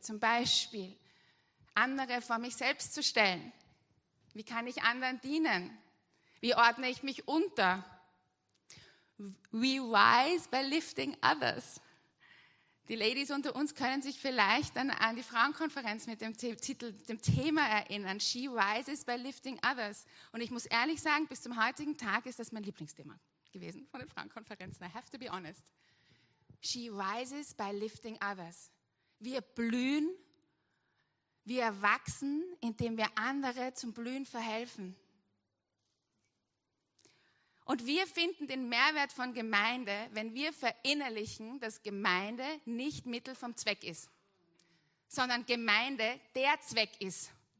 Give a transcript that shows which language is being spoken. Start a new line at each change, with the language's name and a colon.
German: Zum Beispiel, andere vor mich selbst zu stellen. Wie kann ich anderen dienen? Wie ordne ich mich unter?
English: We rise by lifting others.
German: Die Ladies unter uns können sich vielleicht an die Frauenkonferenz mit dem Titel, dem Thema erinnern.
English: She rises by lifting others.
German: Und ich muss ehrlich sagen, bis zum heutigen Tag ist das mein Lieblingsthema gewesen von den Frauenkonferenzen.
English: I have to be honest. She rises by lifting others.
German: Wir blühen, wir wachsen, indem wir andere zum Blühen verhelfen. Und wir finden den Mehrwert von Gemeinde, wenn wir verinnerlichen, dass Gemeinde nicht Mittel vom Zweck ist, sondern Gemeinde der Zweck ist.